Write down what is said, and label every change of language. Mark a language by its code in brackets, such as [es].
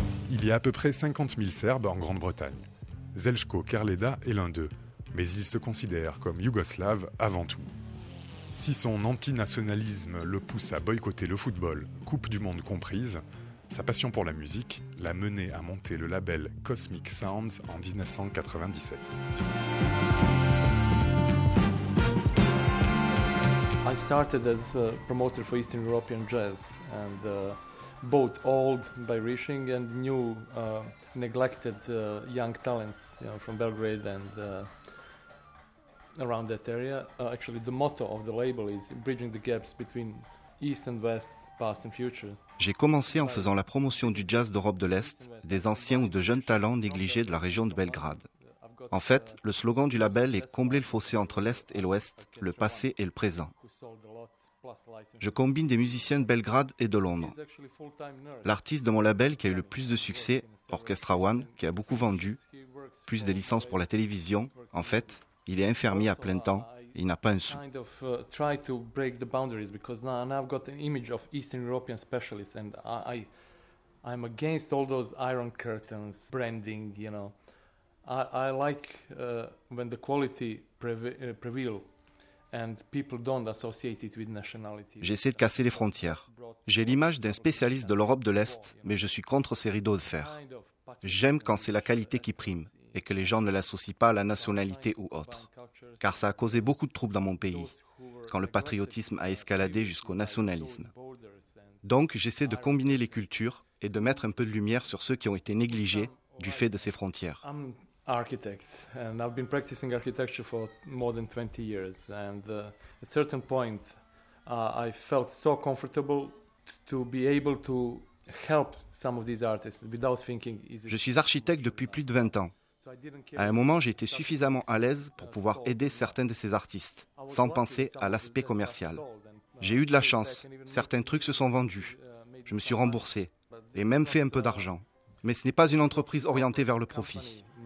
[fr] Il y a à peu près 50 000 Serbes en Grande-Bretagne. Zeljko Karleda est l'un d'eux, mais il se considère comme yougoslave avant tout. Si son antinationalisme le pousse à boycotter le football, Coupe du Monde comprise, sa passion pour la musique l'a mené à monter le label Cosmic Sounds en 1997. [en] I started as a promoter for Eastern European jazz and both old Bayrishing and new neglected young talents, you know, from Belgrade and around that area. Actually, the motto of the label is bridging the gaps between East and West, past and future. [fr] J'ai commencé en faisant la promotion du jazz d'Europe de l'Est, des anciens ou de jeunes talents négligés de la région de Belgrade. En fait, le slogan du label est « Combler le fossé entre l'Est et l'Ouest, le passé et le présent ». Je combine des musiciens de Belgrade et de Londres. L'artiste de mon label qui a eu le plus de succès, Orchestra One, qui a beaucoup vendu, plus des licences pour la télévision, en fait, il est infirmier à plein temps, il n'a pas un sou. [en] Kind of try to break the boundaries because now I've got an image of Eastern European specialist and I'm against all those iron curtains branding, you know. I like when the quality prevail and people don't associate it with nationality. [fr] J'essaie de casser les frontières. J'ai l'image d'un spécialiste de l'Europe de l'Est, mais je suis contre ces rideaux de fer. J'aime quand c'est la qualité qui prime et que les gens ne l'associent pas à la nationalité ou autre. Car ça a causé beaucoup de troubles dans mon pays, quand le patriotisme a escaladé jusqu'au nationalisme. Donc j'essaie de combiner les cultures et de mettre un peu de lumière sur ceux qui ont été négligés du fait de ces frontières. Je suis architecte et j'ai [en] been practicing architecture for more than 20 years. And at a certain point, I felt so comfortable to be able to help some of these artists without thinking. [fr] Je suis architecte depuis plus de 20 ans. À un moment, j'ai été suffisamment à l'aise pour pouvoir aider certains de ces artistes, sans penser à l'aspect commercial. J'ai eu de la chance, certains trucs se sont vendus, je me suis remboursé, et même fait un peu d'argent. Mais ce n'est pas une entreprise orientée vers le profit.